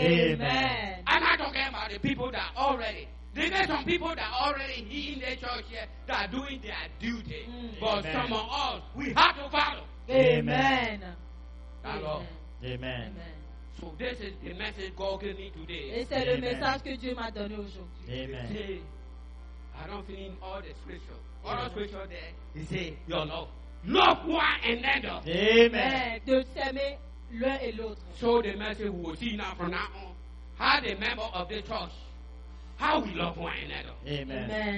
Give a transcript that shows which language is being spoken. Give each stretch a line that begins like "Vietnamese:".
English: Amen. I'm not talking about the people that already. There are some people that are already in the church here that are doing their duty. Amen. But some of us, we have to follow. Amen. That's all. Amen. So this is the message God gave me today.
French: Et c'est le message que Dieu m'a donné aujourd'hui.
English: Amen. I don't think all the scripture. All the scripture there, he said, your love. Love one another. Amen.
French: De s'aimer l'un et l'autre.
English: So the message we will see now from now on, how the member of the church, how we love one another. Amen. Amen.